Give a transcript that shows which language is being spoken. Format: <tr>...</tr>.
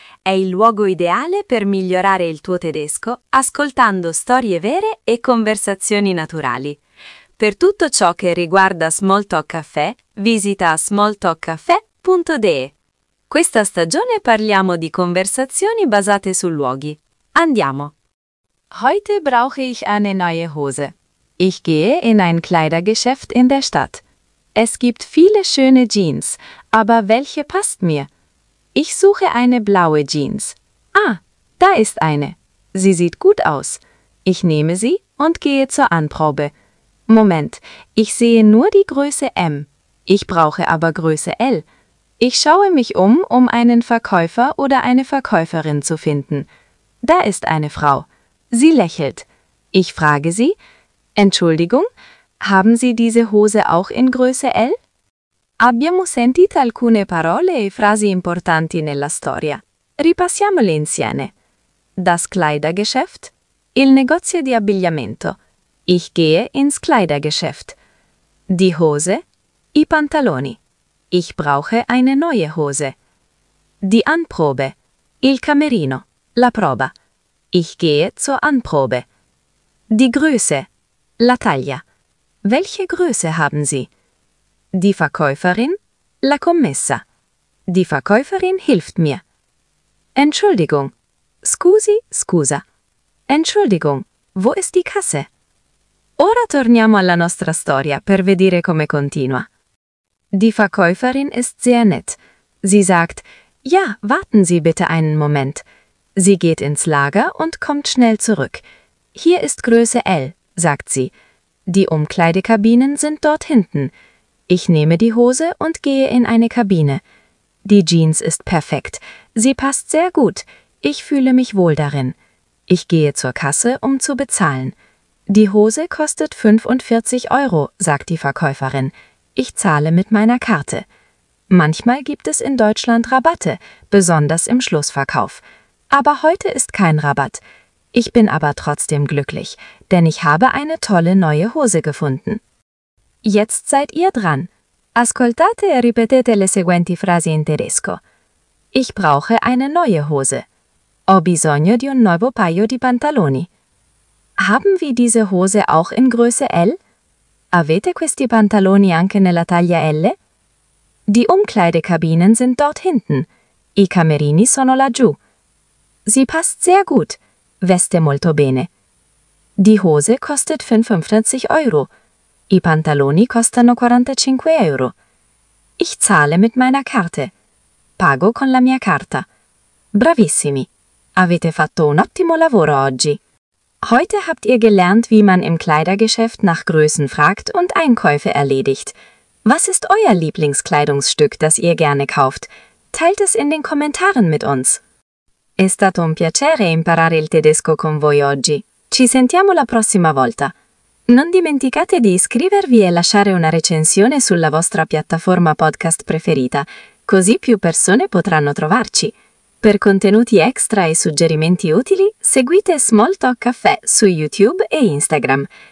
<it>È il luogo ideale per migliorare il tuo tedesco ascoltando storie vere e conversazioni naturali. Per tutto ciò che riguarda Small Talk Café, visita smalltalkcafe.de. Questa stagione parliamo di conversazioni basate su luoghi. Andiamo!</it> <de>Heute brauche ich eine neue Hose. Ich gehe in ein Kleidergeschäft in der Stadt. Es gibt viele schöne Jeans, aber welche passt mir? Ich suche eine blaue Jeans. Ah, da ist eine. Sie sieht gut aus. Ich nehme sie und gehe zur Anprobe. Moment, ich sehe nur die Größe M. Ich brauche aber Größe L. Ich schaue mich um, um einen Verkäufer oder eine Verkäuferin zu finden. Da ist eine Frau. Sie lächelt. Ich frage sie: Entschuldigung, haben Sie diese Hose auch in Größe L?</de> <it>Abbiamo sentito alcune parole e frasi importanti nella storia. Ripassiamole insieme.</it> <de>Das Kleidergeschäft.</de> <it>Il negozio di abbigliamento.</it> <de>Ich gehe ins Kleidergeschäft. Die Hose.</de> <it>I pantaloni.</it> <de>Ich brauche eine neue Hose. Die Anprobe.</de> <it>Il camerino. La prova.</it> <de>Ich gehe zur Anprobe. Die Größe.</de> <it>La taglia.</it> <de>Welche Größe haben Sie? Die Verkäuferin,</de> <it>la commessa.</it> <de>Die Verkäuferin hilft mir. Entschuldigung.</de> <it>Scusi, scusa.</it> <de>Entschuldigung, wo ist die Kasse?</de> <it>Ora torniamo alla nostra storia per vedere come continua.</it> <de>Die Verkäuferin ist sehr nett. Sie sagt: "Ja, warten Sie bitte einen Moment." Sie geht ins Lager und kommt schnell zurück. "Hier ist Größe L", sagt sie. Die Umkleidekabinen sind dort hinten. Ich nehme die Hose und gehe in eine Kabine. Die Jeans ist perfekt. Sie passt sehr gut. Ich fühle mich wohl darin. Ich gehe zur Kasse, um zu bezahlen. Die Hose kostet 45 Euro, sagt die Verkäuferin. Ich zahle mit meiner Karte. Manchmal gibt es in Deutschland Rabatte, besonders im Schlussverkauf. Aber heute ist kein Rabatt. Ich bin aber trotzdem glücklich, denn ich habe eine tolle neue Hose gefunden. Jetzt seid ihr dran.</de> <it>Ascoltate e ripetete le seguenti frasi in tedesco.</it> <de>Ich brauche eine neue Hose.</de> <it>Ho bisogno di un nuovo paio di pantaloni.</it> <de>Haben wir diese Hose auch in Größe L?</de> <it>Avete questi pantaloni anche nella taglia L?</it> <de>Die Umkleidekabinen sind dort hinten.</de> <it>I camerini sono laggiù.</it> <de>Sie passt sehr gut.</de> <it>Veste molto bene.</it> <de>Die Hose kostet 55 Euro.</de> <it>I pantaloni costano 45 Euro.</it> <de>Ich zahle mit meiner Karte.</de> <it>Pago con la mia carta. Bravissimi. Avete fatto un ottimo lavoro oggi.</it> <de>Heute habt ihr gelernt, wie man im Kleidergeschäft nach Größen fragt und Einkäufe erledigt. Was ist euer Lieblingskleidungsstück, das ihr gerne kauft? Teilt es in den Kommentaren mit uns.</de> <it>È stato un piacere imparare il tedesco con voi oggi. Ci sentiamo la prossima volta. Non dimenticate di iscrivervi e lasciare una recensione sulla vostra piattaforma podcast preferita, così più persone potranno trovarci. Per contenuti extra e suggerimenti utili, seguite Small Talk Café su YouTube e Instagram.</it>